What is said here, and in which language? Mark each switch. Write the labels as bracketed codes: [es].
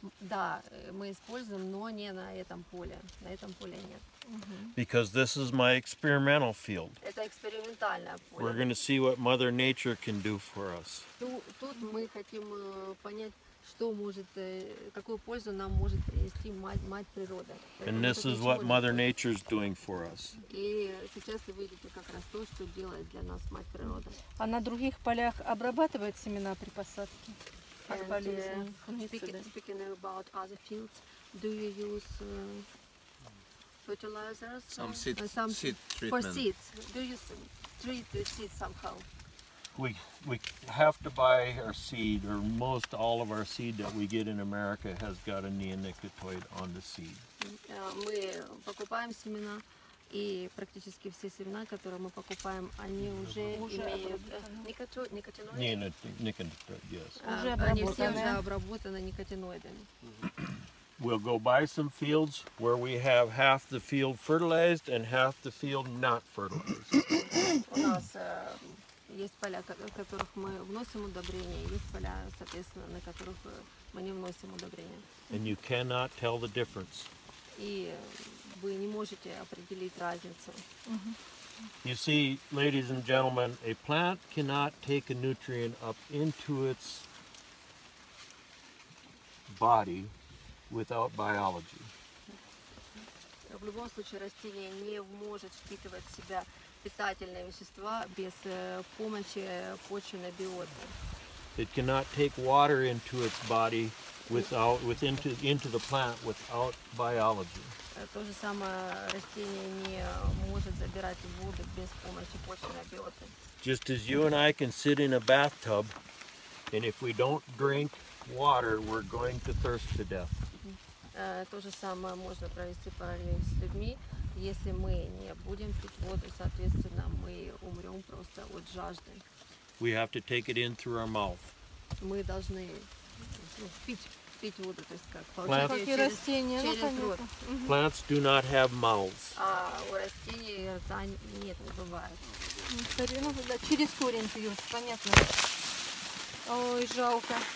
[ru] Да, мы используем, но не на этом поле. На этом поле нет. [en] Because this is my experimental field. [ru] Это экспериментальное поле. [en] We're going to see what Mother Nature can do for us. [ru] Тут мы хотим понять, что может, какую пользу нам может принести мать природа. [en] And this is what Mother Nature is doing for us. [ru] И сейчас вы видите как раз то, что делает для нас мать природа. А на других полях обрабатывает семена при посадке? [en] And speaking about other fields, do you use fertilizers? Some seed treatment. For seeds, do you treat the seeds somehow? We have to buy our seed, or most all of our seed that we get in America has got a neonicotinoid on the seed. [ru] Мы покупаем семена, и практически все семена, которые мы покупаем, они уже имеют неоникотиноиды. [en] Yes. [ru] Они все уже обработаны неоникотиноидами. [en] We'll go buy some fields where we have half the field fertilized and half the field not fertilized. [ru] У нас есть поля, в которых мы вносим удобрения, есть поля, соответственно, на которых мы не вносим удобрения. [en] And you cannot tell the difference. [ru] И вы не можете определить разницу. [en] You see, ladies and gentlemen, a plant cannot take a nutrient up into its body without biology. [ru] В любом случае, растение не может впитывать в себя питательные вещества без помощи почвенной биоты. [en] It cannot take water into its body into the plant without biology. [ru] То же самое растение не может забирать воду без помощи почвенной биоты. [en] Just as you and I can sit in a bathtub, and if we don't drink water, we're going to thirst to death. [ru] То же самое можно провести параллель с людьми. Если мы не будем пить воду, соответственно, мы умрем просто от жажды. [en] We have to take it in through our mouth. [ru] Мы должны пить воду, то есть как растения, через рот. [en] Plants do not have mouths. [ru] А у растений рта нет, не бывает. Через корень пьют, понятно. Ой, жалко.